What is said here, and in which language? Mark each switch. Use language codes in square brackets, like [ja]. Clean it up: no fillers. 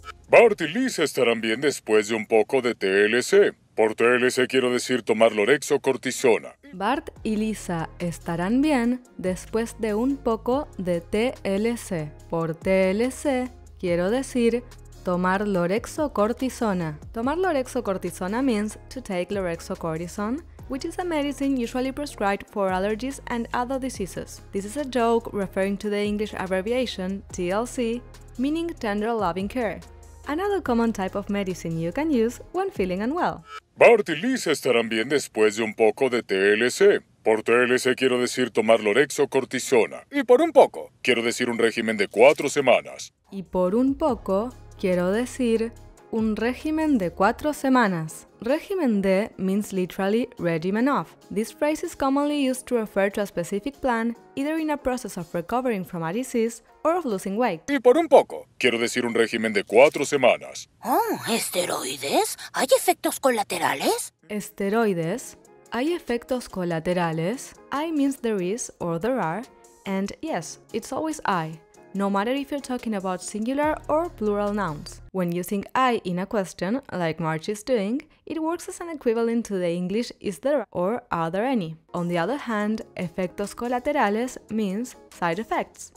[es] Bart y Lisa estarán bien después de un poco de TLC. Por TLC quiero decir tomar Lorexo cortisona. Bart y Lisa estarán bien después de un poco de TLC. Por TLC quiero decir tomar Lorexo cortisona. Tomar Lorexo cortisona [en] means to take Lorexo cortisone, which is a medicine usually prescribed for allergies and other diseases. This is a joke referring to the English abbreviation TLC, meaning tender loving care. Another common type of medicine you can use when feeling unwell. [es] Bart y Lisa estarán bien después de un poco de TLC. Por TLC quiero decir tomar Lorexo cortisona. Y por un poco, quiero decir un régimen de 4 semanas. Y por un poco, quiero decir un régimen de 4 semanas. Régimen de [en] means literally regimen of. This phrase is commonly used to refer to a specific plan, either in a process of recovering from a disease or of losing weight. [es] Y por un poco, quiero decir un régimen de 4 semanas. Oh, ¿esteroides? ¿Hay efectos colaterales? Esteroides. ¿Hay efectos colaterales? [en] I means there is or there are. And yes, it's always I. No matter if you're talking about singular or plural nouns. When using I in a question, like Marge is doing, it works as an equivalent to the English is there or are there any. On the other hand, [es] efectos colaterales [en] means side effects.